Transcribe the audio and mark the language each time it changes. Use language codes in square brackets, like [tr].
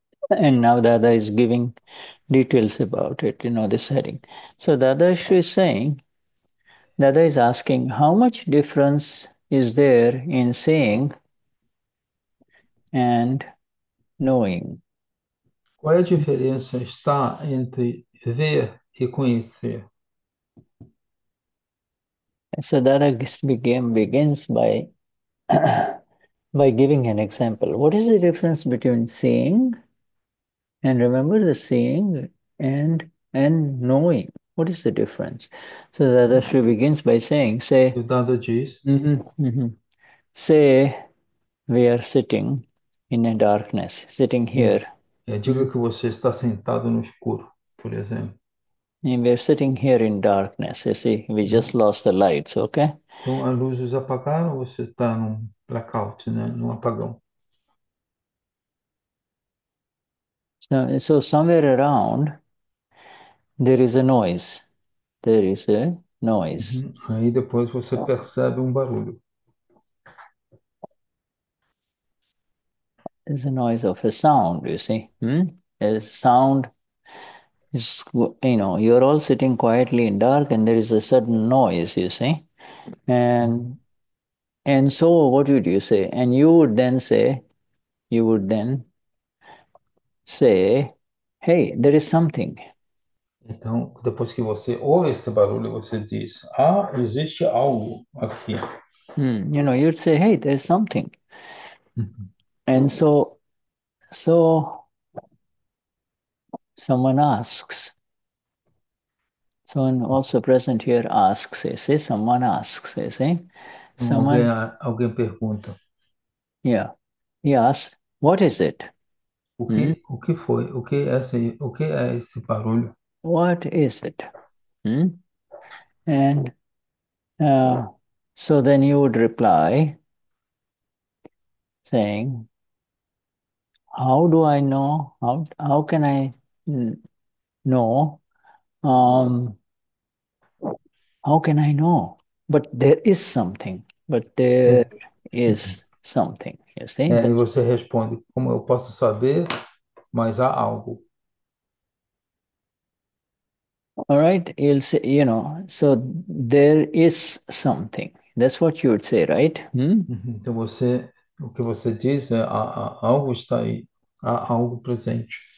[en] And now Dada is giving details about it, this heading. So Dada is saying, Dada is asking, how much difference is there in saying and knowing? [pt] Qual é a diferença está entre ver e conhecer? [en] So Dada begins by by giving an example. What is the difference between seeing and remember the seeing and knowing? What is the difference? So Dada begins by saying, [pt] O dado diz. [en] say we are sitting in a darkness, sitting here. [pt] Diga que você está sentado no escuro, por exemplo. [en] And we're sitting here in darkness, you see, we just lost the lights, okay? [pt] Então, as luzes apagaram, você está num blackout, né? Num apagão. [en] So somewhere around there is a noise. There is a noise. [pt] Aí depois você percebe um barulho. [en] Is a noise of a sound, you see. A sound is, you're all sitting quietly in dark and there is a sudden noise, you see. And so what would you say? And you would then say, hey, there is something. [pt] Então, depois que você ouve esse barulho, você diz: ah, existe algo aqui. [en] You'd say, hey, there is something. And so someone asks. Someone also present here asks, you see, someone asks, you see. Someone, [pt] Alguém pergunta: [en] he asks, what is it? [pt] o que foi? O que é esse barulho? [en] What is it? And so then you would reply, saying, how do I know? How can I know? How can I know? But there is something. But there is something. You see? [pt] É, e [en] That's. [pt] você responde, como eu posso saber, mas há algo. [en] All right, you'll say, so there is something. That's what you would say, right? [pt] Então você, o que você diz é algo está aí, há algo presente.